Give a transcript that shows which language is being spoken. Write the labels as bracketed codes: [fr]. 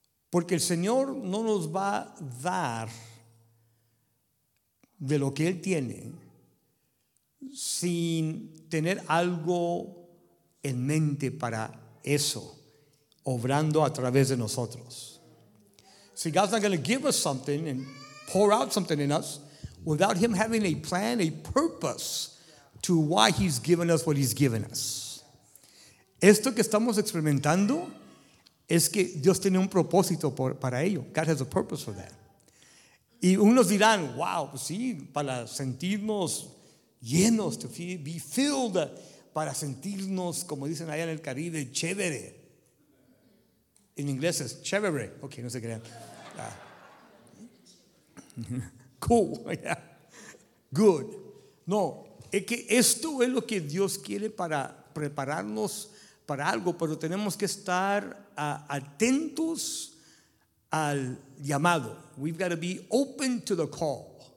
[es] Porque el Señor no nos va a dar de lo que Él tiene sin tener algo en mente para eso, obrando a través de nosotros. [en] See, God's not going to give us something and pour out something in us without Him having a plan, a purpose to why He's given us what He's given us. [es] Esto que estamos experimentando es que Dios tiene un propósito para ello. [en] God has a purpose for that. [es] Y unos dirán, wow, pues sí, para sentirnos llenos, [en] to be filled, [es] para sentirnos, como dicen allá en el Caribe, chévere. [en] In English, it's chévere. Okay, [es] no se crean. [en] Cool, yeah. Good. [es] No, es que esto es lo que Dios quiere para prepararnos para algo, pero tenemos que estar atentos al llamado. [en] We've got to be open to the call.